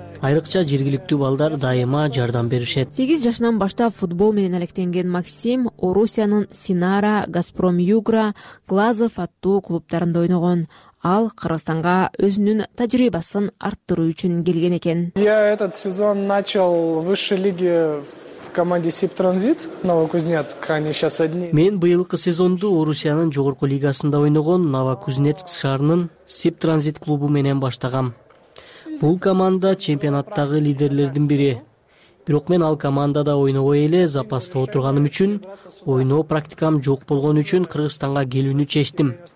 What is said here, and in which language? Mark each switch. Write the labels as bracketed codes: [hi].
[ky] Айрыкча жергиликтүү балдар дайыма жардам беришет. 8 жашынан баштап футбол менен алектенген Максим Орусиянын Синара, Газпром Югра, Глазов аттуу клубтарында ойногон. Ал Кыргызстанга өзүнүн тажрыйбасын арттыруу үчүн келген экен. [ru] Я этот сезон начал в высшей лиге в команде Сибтранзит, Новокузнецк, они сейчас одни. [ky] Мен быйылкы сезонду Орусиянын жогорку лигасында ойногон Новокузнецк шаарынын Сибтранзит клубу менен баштагам. Бул команда чемпионаттагы лидерлердин бири. Бирок мен ал командада ойногой эле запаста отурганым үчүн, ойноо практикам жок болгон үчүн Кыргызстанга келүүнү чечтим.